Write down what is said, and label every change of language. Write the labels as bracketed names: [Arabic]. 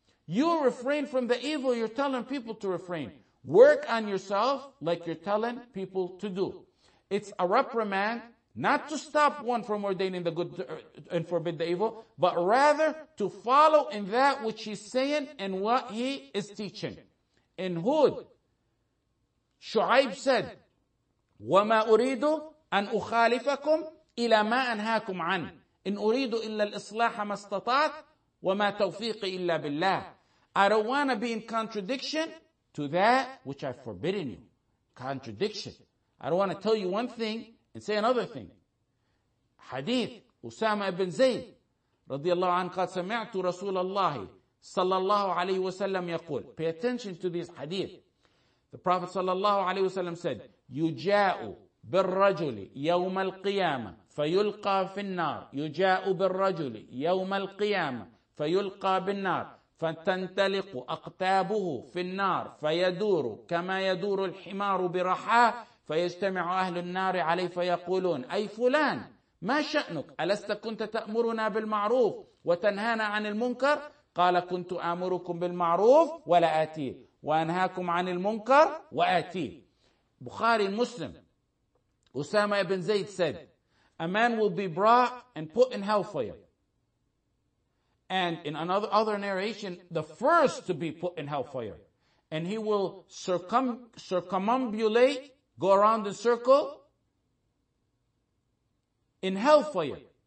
[English] You refrain from the evil you're telling people to refrain. Work on yourself like you're telling people to do. It's a reprimand not to stop one from ordaining the good and forbid the evil, but rather to follow in that which he's saying and what he is teaching. In Hud, Shu'aib said, [Arabic] وَمَا أُرِيدُ أَنْ أُخَالِفَكُمْ إِلَى مَا أَنْهَاكُمْ عَنْ إِنْ أُرِيدُ إِلَّا الْإِصْلَاحَ مَا اسْتَطَعْتُ وَمَا تَوْفِيقِ إِلَّا بِاللَّهِ. [English] I don't want to be in contradiction to that which I've forbidden you. Contradiction. I don't want to tell you one thing and say another thing. Hadith, Usama ibn Zayd, radiallahu anhu, [Arabic] قَدْ سَمِعْتُ رَسُولَ اللَّهِ صَلَّى اللَّهُ عَلَيْهِ وَسَلَّمْ يَقُولُ. [English] Pay attention to this hadith. The Prophet sallallahu alayhi wa sallam said, [Arabic] يُجَاءُ بِالرَّجُلِ يَوْمَ الْقِيَامَةِ فَيُلْقَى فِي النَّارِ يُجَاءُ بِالرَّجُلِ يَوْمَ الْقِيَامَةِ فَيُلْقَى بِالنَّارِ فَتَنْتَلِقُ أَقْتَابُهُ فِي النَّارِ فَيَدُورُ كَمَا يَدُورُ الْحِمَارُ بِرَحَاهُ فَيَجْتَمِعُ أَهْلُ النَّارِ عَلَيْهِ فَيَقُولُونَ أَيْ فُلَان مَا شَأْنُكَ أَلَسْتَ كُنْتَ تَأْمُرُنَا بِالْمَعْرُوفِ وَتَنْهَانَا عَنِ الْمُنْكَرِ قَالَ كُنْتُ أَمُرُكُمْ بِالْمَعْرُوفِ وَلَا آتِيهِ وَأَنْهَاكُمْ عَنِ الْمُنْكَرِ وَآتِيهِ. [English] Bukhari and Muslim, Usama ibn Zayd said, a man will be brought and put in hellfire. And in another narration, the first to be put in hellfire. And he will circumambulate, go around in circle, in hellfire.